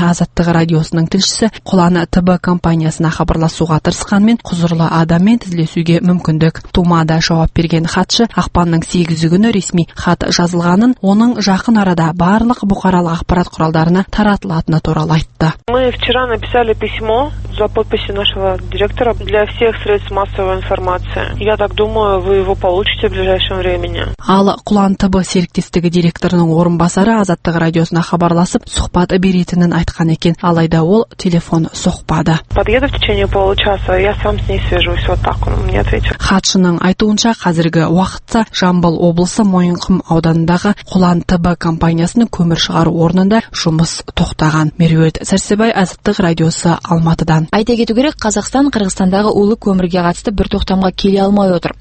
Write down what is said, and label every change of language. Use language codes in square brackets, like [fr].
[kk] Азаттық радиосының тілшісі Құлан ТБ компаниясына хабарласуға тырысқанмен құзырлы адаммен тілдесуге мүмкіндік тумады. Жауап берген хатшы ақпанның 8-і күні ресми хат жазылғанын, оның жақын арада барлық бұқаралық ақпарат құралдарына таратылатыны туралы айтты. [ru] Мы вчера написали письмо за подписью нашего директора для всех средств массовой информации. Я так думаю, вы его получите в ближайшем времени. [kk] Ал Құлан ТБ серіктестігі директорының орынбасары Азаттық радиосына хабарласып, сұхбат беретінін айтқан екен. Алайда ол телефон соқпады. [ru] Подъеду в течение получаса, я сам с ней свяжусь, вот так он мне ответил. [kk] Хатшының айтуынша, қазіргі уақытта Жамбыл облысы Мойынқұм ауданындағы Құлан ТБ компаниясының көмір шығару орнында жұмыс тоқтаған. Меруерт Сәрсебай Азаттық радиосы Алматыдан. Айта кету керек, Қазақстан Қырғызстандағы улы көмірге қатысты бір тоқтамға келе алмай отыр.